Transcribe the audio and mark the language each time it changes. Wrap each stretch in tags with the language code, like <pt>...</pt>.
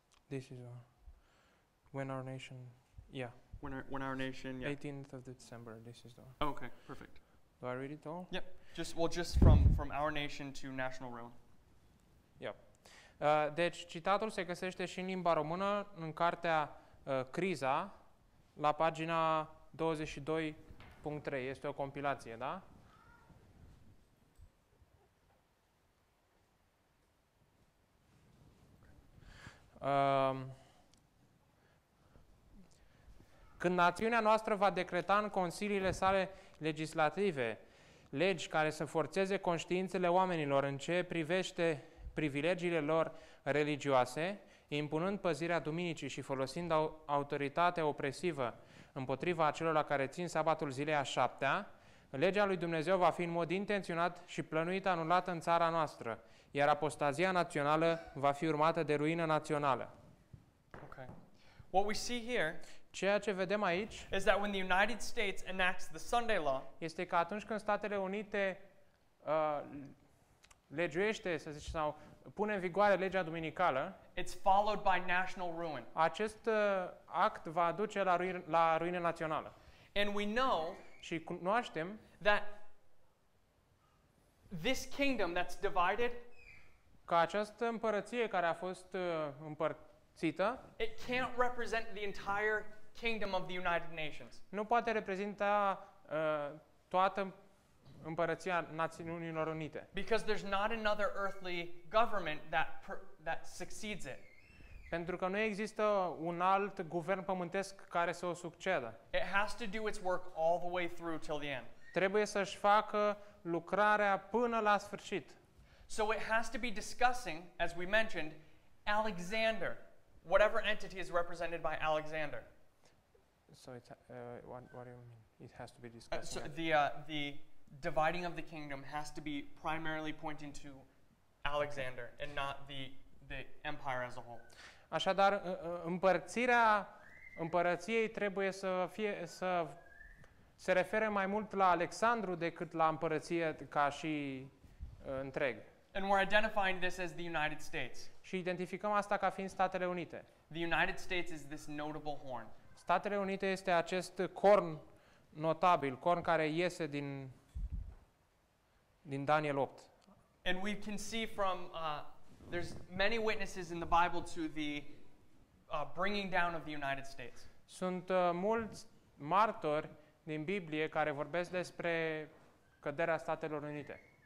<en>This is when our nation, yeah. When our nation, 18th of December, this is the one. Okay, perfect. Do I read it all? Yep. Just from our nation to national realm. Yep.</en> <ro>Deci, citatul se găsește și în limba română, în cartea Criza, la pagina 22.3. Este o compilație, da? Când națiunea noastră va decreta în consiliile sale legislative legi care să forțeze conștiințele oamenilor în ce privește privilegiile lor religioase, impunând păzirea duminicii și folosind autoritate opresivă împotriva acelor la care țin sabatul zilei a șaptea, legea lui Dumnezeu va fi în mod intenționat și plănuit anulată în țara noastră, iar apostazia națională va fi urmată de ruină națională.</ro> <en>Okay. What we see here,</en> <ro>ceea ce vedem aici,</ro> <en>is that when the United States enacts the Sunday law,</en> <ro>este că atunci când Statele Unite legiuiește, să zicem, sau pune în vigoare legea duminicală,</ro> <en>it's followed by national ruin.</en> <ro>Acest act va duce la ruină națională.</ro> <en>And we know,</en> <ro>și cunoaștem,</ro> <en>that this kingdom that's divided,</en> <ro>că această împărăție care a fost împărțită,</ro> <en>it can't represent the entire kingdom of the United Nations.</en> <ro>Nu poate reprezenta toată împărăția Națiunilor Unite.</ro> <en>Because there's not another earthly government that succeeds it.</en> <ro>Pentru că nu există un alt guvern pământesc care să o succeadă.</ro> <en>It has to do its work all the way through till the end.</en> <ro>Trebuie să-și facă lucrarea până la sfârșit.</ro> <en>So it has to be discussing, as we mentioned, Alexander, whatever entity is represented by Alexander. So it's what do you mean? It has to be discussing. The dividing of the kingdom has to be primarily pointing to Alexander and not the empire as a whole.</en> <ro>Așadar, împărțirea împărăției trebuie să fie să se refere mai mult la Alexandru decât la împărăție ca și întreg.</ro> <en>And we're identifying this as the United States.</en> <ro>Și identificăm asta ca fiind Statele Unite.</ro> <en>The United States is this notable horn.</en> <ro>Statele Unite este acest corn notabil, corn care iese din Daniel 8.</ro> <en>And we can see from there's many witnesses in the Bible to the bringing down of the United States.</en> <ro>Sunt mulți martori din Biblie care vorbesc despre căderea Statelor Unite.</ro>